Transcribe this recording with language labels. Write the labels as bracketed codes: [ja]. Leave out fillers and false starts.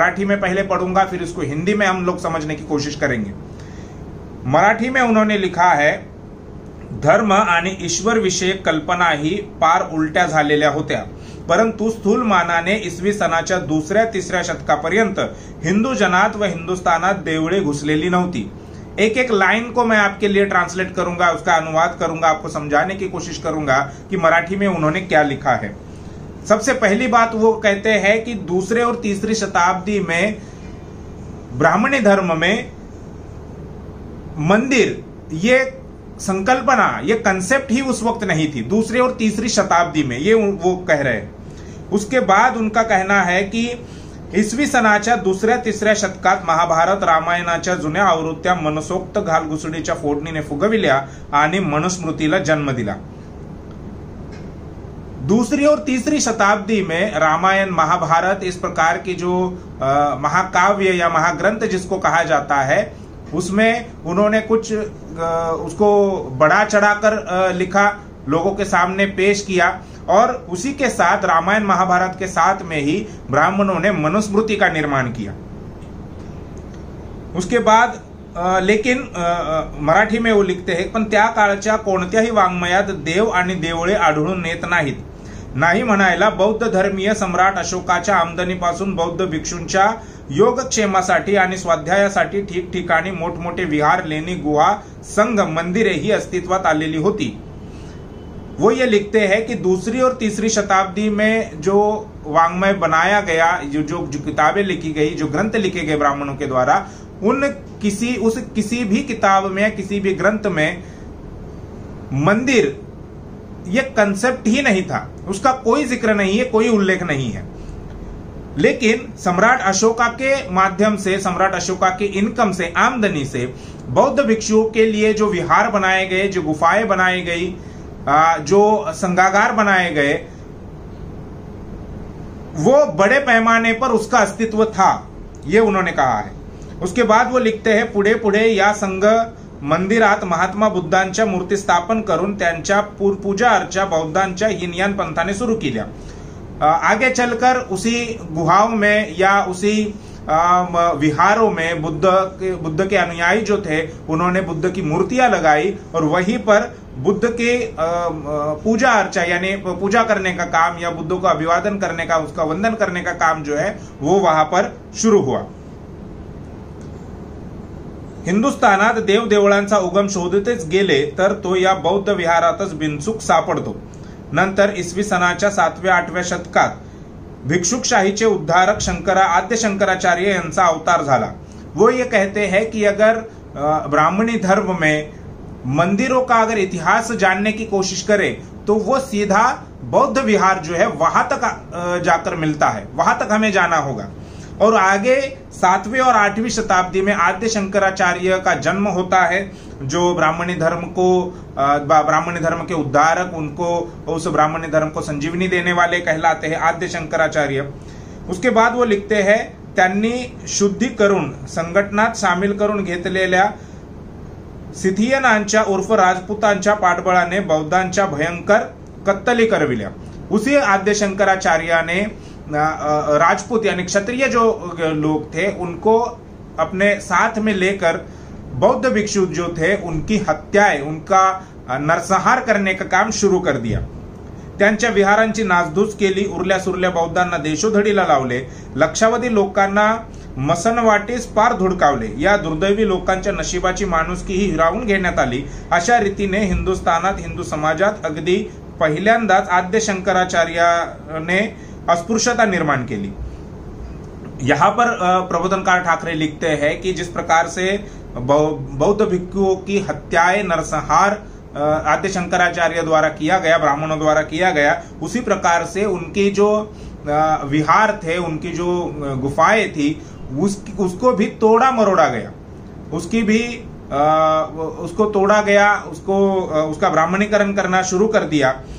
[hi] मराठी में पहले पढ़ूंगा, फिर इसको हिंदी में हम लोग समझने की कोशिश करेंगे। मराठी में उन्होंने लिखा है, [mr] धर्म आणि ईश्वर विषयक कल्पना ही पार उलट्या झालेल्या होत्या, परंतु स्थूल मानाने इसवी सनाच्या दुसऱ्या तिसऱ्या शतकापर्यंत हिंदू जनात व हिंदुस्थानात देवळे घुसलेली नव्हती। [hi] एक एक लाइन को मैं आपके लिए ट्रांसलेट करूंगा, उसका अनुवाद करूंगा, आपको समझाने की कोशिश करूंगा कि मराठी में उन्होंने क्या लिखा है। सबसे पहली बात वो कहते हैं कि दूसरे और तीसरी शताब्दी में ब्राह्मणी धर्म में मंदिर ये संकल्पना, ये कंसेप्ट ही उस वक्त नहीं थी, दूसरे और तीसरी शताब्दी में, ये वो कह रहे हैं। उसके बाद उनका कहना है कि [mr] इसवी सनाच्या दुसऱ्या तिसऱ्या शतकात महाभारत रामायणाच्या जुन्या आवृत्त्या मनसोक्त घालघुसडीच्या फोडणीने फुगविल्या आणि मनुस्मृतीला जन्म दिला। [hi] दूसरी और तीसरी शताब्दी में रामायण, महाभारत, इस प्रकार की जो महाकाव्य या महाग्रंथ जिसको कहा जाता है, उसमें उन्होंने कुछ उसको बड़ा चढ़ाकर लिखा, लोगों के सामने पेश किया, और उसी के साथ रामायण महाभारत के साथ में ही ब्राह्मणों ने मनुस्मृति का निर्माण किया। उसके बाद लेकिन मराठी में वो लिखते हैं, [mr] पण त्या काळच्या कोणत्याही वाङ्मयात देव आणि देवळे आढळून नेत नाहीत, नाही म्हणायला बौद्ध धर्मीय सम्राट अशोकाच्या आमदनीपासून बौद्ध भिक्षूंच्या योगक्षेमासाठी आणि स्वाध्यायासाठी ठिकठिकाणी मोठमोठे विहार, लेणी, गुहा, संघ, मंदिरे ही अस्तित्वात आलेली होती। [hi] वो ये लिखते हैं कि दूसरी और तीसरी शताब्दी में जो वाङ्मय बनाया गया, जो जो किताबें लिखी गई, जो ग्रंथ लिखे गए ब्राह्मणों के द्वारा, उन किसी उस किसी भी किताब में किसी भी ग्रंथ में मंदिर ये कंसेप्ट ही नहीं था, उसका कोई जिक्र नहीं है, कोई उल्लेख नहीं है। लेकिन सम्राट अशोका के माध्यम से, सम्राट अशोका के इनकम से, आमदनी से बौद्ध भिक्षुओं के लिए जो विहार बनाए गए, जो गुफाएं बनाई गई, जो संगागार बनाए गए, वो बड़े पैमाने पर उसका अस्तित्व था, ये उन्होंने कहा है। उसके बाद वो लिखते हैं, [mr] पुढे पुढे या संघ मंदिरात महात्मा बुद्धांच्या मूर्ती स्थापन करून त्यांच्या पूजा अर्चा बौद्धांच्या हीनयान पंथाने सुरू केल्या। [hi] आगे चलकर उसी गुहाओं में या उसी विहारों में बुद्ध के अनुयायी जो थे उन्होंने बुद्ध की मूर्तियां लगाई और वहीं पर बुद्ध के पूजा अर्चा यानी पूजा करने का काम या बुद्ध को अभिवादन करने का, उसका वंदन करने का काम जो है वो वहां पर शुरू हुआ। [mr] हिंदुस्थानात देव देवळांचा उगम शोधतेच गेले तर तो या बौद्ध विहारातच बिनचूक सापडतो। नंतर इसवी सनाच्या 7व्या 8व्या शतकात भिक्षुकशाहीचे उद्धारक आद्य शंकराचार्य यांचा अवतार झाला। [hi] वो ये कहते हैं कि अगर ब्राह्मणी धर्म में मंदिरों का अगर इतिहास जानने की कोशिश करे तो वो सीधा बौद्ध विहार जो है वहां तक जाकर मिलता है, वहां तक हमें जाना होगा। और आगे 7वीं और 8वीं शताब्दी में आद्य शंकराचार्य का जन्म होता है, जो ब्राह्मणी धर्म को, ब्राह्मणी धर्म के उद्धारक, उनको, उस ब्राह्मणी धर्म को संजीवनी देने वाले कहलाते हैं आद्य शंकराचार्य। उसके बाद वो लिखते हैं, [mr] त्यांनी शुद्धि करून संघटनात सामील करून घेतलेल्या सिथियनांच्या उर्फ राजपूतांच्या पाठबळाने बौद्धांच्या भयंकर कत्तली करविल्या। [hi] उसी आद्य शंकराचार्याने राजपूत यानी क्षत्रिय जो लोग थे उनको अपने साथ में लेकर बौद्ध भिक्षु जो थे उनकी हत्याएं, उनका नरसंहार करने का काम शुरू कर दिया। [mr] त्यांच्या विहारांची नासधूस केली, उरल्या सुरल्या बौद्धांना देशोधडीला लावले, लक्षावधी लोकांना मसनवाटीस पार धुडकावले, या दुर्दैवी लोकांच्या नशिबाची माणुसकीही हिरावून घेण्यात आली। अशा रीतीने हिंदुस्थानात, हिंदू समाजात अगदी पहिल्यांदाच आद्य शंकराचार्याने अस्पृश्यता निर्माण केली। [hi] यहां पर प्रबोधनकार ठाकरे लिखते हैं कि जिस प्रकार से बौद्ध भिक्षुओं की हत्याएं, नरसंहार आद्य शंकराचार्य द्वारा किया गया, ब्राह्मणों द्वारा किया गया, उसी प्रकार से उनकी जो विहार थे, उनकी जो गुफाएं थी, उसको भी तोड़ा मरोड़ा गया, उसकी भी उसको तोड़ा गया, उसको उसका ब्राह्मणीकरण करना शुरू कर दिया।